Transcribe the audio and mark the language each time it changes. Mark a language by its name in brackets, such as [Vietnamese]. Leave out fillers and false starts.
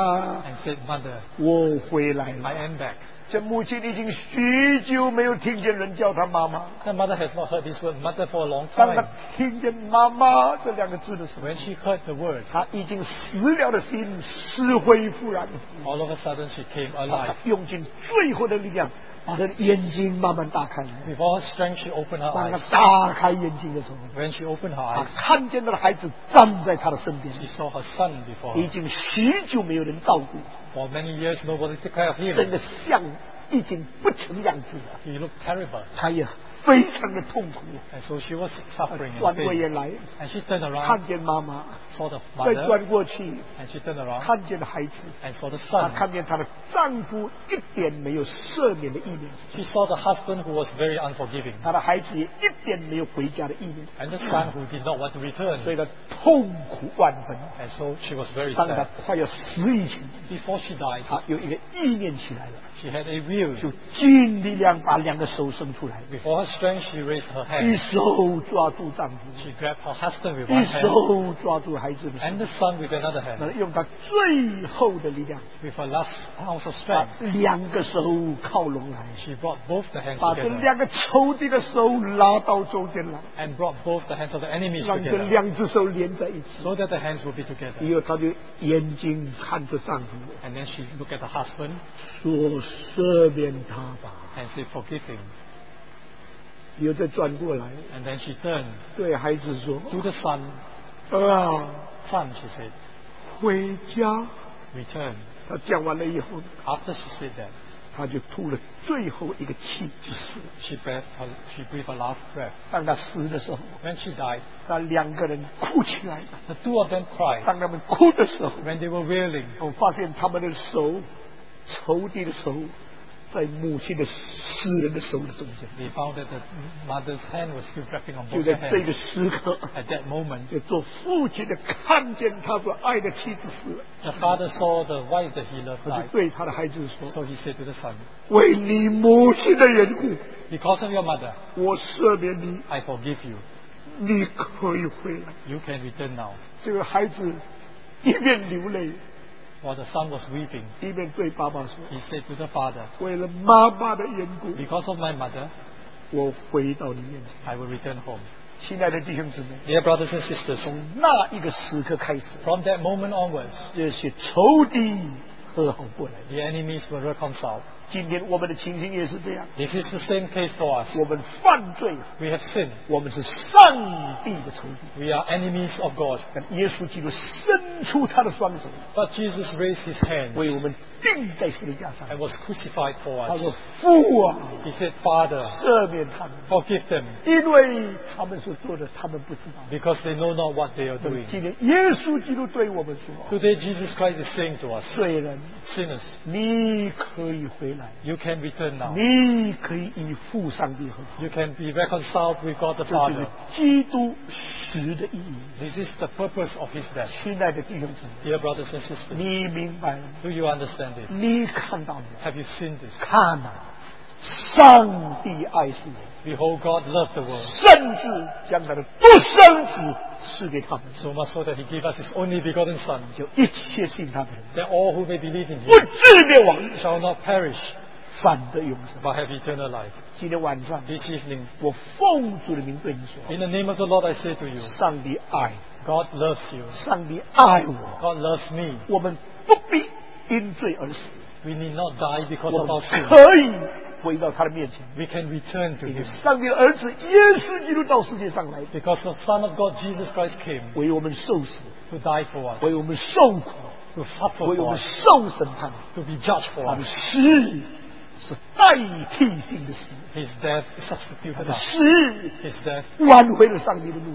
[English] ，And said mother， [Chinese] 我回来了 [English] ，I am back。” [Chinese] 这母亲已经许久没有听见人叫她妈妈 [English] ，The mother has not heard this word mother for a long time。 [Chinese] 当她听见“妈妈”这两个字的时候 [English] ，When she heard the word， [Chinese] 她已经死了的心死灰复燃 [English] ，All of a sudden she came alive， [Chinese] 用尽最后的力量。把她的眼睛慢慢打开来。 [English] Before strength, she opened her eyes. [Chinese] 当她打开眼睛的时候 [English] ，When she opened her eyes, [Chinese] 她看见她的孩子站在她的身边。 [English] She saw her son before. [Chinese] 已经许久没有人照顾。 [English] For many years, nobody took care of him. [Chinese] 真的像已经不成样子了。 [English] He looked terrible. [Chinese] 她也非常的痛苦。 [English] And so she was suffering. [Chinese] 转过眼来 [English] ，And she turned around. [Chinese] 看见妈妈 [English] ，Saw the mother. [Chinese] 再转过去 [English] ，And she turned around. [Chinese] 看见孩子 [English] ，And saw the son. [Chinese] 她看见她的丈夫一点没有赦免的意念。 [English] She saw the husband who was very unforgiving. [Chinese] 她的孩子也一点没有回家的意念。 [English] And the son who did not want to return. [Chinese] 所以她痛苦万分。 [English] And so she was very sad. [Chinese] 当她快要死以前 [English] ，Before she died, [Chinese] 她有一个意念起来了。 [English] She had a will. [Chinese] 就尽力量把两个手伸出来。 [English] Before her strength, she raised her hand. [Chinese] 一手抓住丈夫。 [English] She grabbed her husband with one [Chinese] hand. 一手抓住孩子。 [English] And the son with another hand. [Chinese] 用她最后的力量。 [English] With her last ounce of strength. [Chinese] 把两个手靠拢来。 [English] She brought both the hands [Chinese] 把这两个仇敌的手拉到中间来。 [English] And brought both the hands of the enemies together. [Chinese] 让这两只手连在一起。 [English] So that the hands would be together. [Chinese] 以后她就眼睛看着丈夫。 [English] And then she looked at the husband. [Chinese] 说赦免他吧。 [English] And said, forgive him. [Chinese] 又再转过来 [English] ，and then she turned [Chinese] 对孩子说 [English] ，to the son， [Chinese] 儿啊 [English] ，son， she said， [Chinese] 回家 [English] ，return。 [Chinese] 他讲完了以后 [English] ，after she said that， [Chinese] 他就吐了最后一个气之时 [English] ，she breathed her last breath。 [Chinese] 当他死的时候 [English] ，when she died， [Chinese] 他两个人哭起来 [English] ，the two of them cried。 [Chinese] 当他们哭的时候 [English] ，when they were wailing， [Chinese] 我发现他们的手，仇敌的手。在母亲的死人的手的中间 [English] They found that the mother's hand was still dripping on both hands [Chinese] 就在这个时刻 [English] At that moment [Chinese] 就做父亲的看见他所爱的妻子死了 [English] The father saw the wife that he loved [Chinese] 他就对他的孩子说 [English] So he said to the son [Chinese] 为你母亲的缘故 [English] Because of your mother [Chinese] 我赦免你 [English] I forgive you [Chinese] 你可以回来 [English] You can return now [Chinese] 这个孩子一边流泪 [English] While the son was weeping, [Chinese] 一边对爸爸说, [English] he said to the father, [Chinese] 为了妈妈的缘故, [English] Because of my mother, [Chinese] 我回到你面前, [English] I will return home. [Chinese] 亲爱的弟兄姊妹, [English] Dear brothers and sisters, [Chinese] 从那一个时刻开始, [English] From that moment onwards, [Chinese] 这些仇敌和好过来, [English] The enemies were reconciled. [Chinese] 今天我们的情形也是这样, [English] This is the same case for us. [Chinese] 我们犯罪, [English] We have sinned. [Chinese] 我们是上帝的仇敌, [English] We are enemies of God. [Chinese] 但耶稣基督生出他的双手, [English] But Jesus raised his hands. [Chinese] 为我们钉在十字架上, [English] And was crucified for us. [Chinese] 他说, 父啊, [English] He said, Father, [Chinese] 赦免他们, [English] forgive them. [Chinese] 因为他们所做的, 他们不知道, [English] Because they know not what they are doing. [Chinese] 今天耶稣基督对我们说, [English] Today Jesus Christ is saying to us, [Chinese] 罪人, [English] Sinners, [Chinese] 你可以回来, [English] You can return now. [Chinese] 你可以与父上帝和好, [English] You can be reconciled with God the Father. [Chinese] 这就是基督死的意义, [English] This is the purpose of his death. [Chinese] 亲爱的弟兄姊妹, [English] Dear brothers and sisters, [Chinese] 你明白了, [English] Do you understand? [Chinese] 你看到了 [English] Have you seen this? [Chinese] 看啊，上帝爱世人。 [English] Behold, God loved the world. [Chinese] 甚至将他的独生子赐给他们。 [English] So much so that He gave us His only begotten Son. [Chinese] 就一切信他的人。 [English] That all who may believe in Him [Chinese] 不至灭亡 [English] shall not perish. [Chinese] 反得永生 [English] but have eternal life. [Chinese] 今天晚上 [English] this evening, [Chinese] 我奉主的名对你说 [English] In the name of the Lord, I say to you, [Chinese] 上帝爱 [English] God loves you. [Chinese] 上帝爱我 [English] God loves me. [Chinese] 我们不必因罪而死 [English] We need not die because of our sin. [Chinese] 可以回到他的面前, [English] we can return to him. [Chinese] 上帝的儿子耶稣基督到世界上来, [English] because the Son of God Jesus Christ came [Chinese] 为我们受死, [English] to die for us. [Chinese] 为我们受苦, [English] to suffer for us. [Chinese] 为我们受审判, [English] to be judged for us. [Chinese] 是代替性的死, [English] his death substituted us. [Chinese] 他的死, [English] his death [Chinese] 挽回了上帝的路,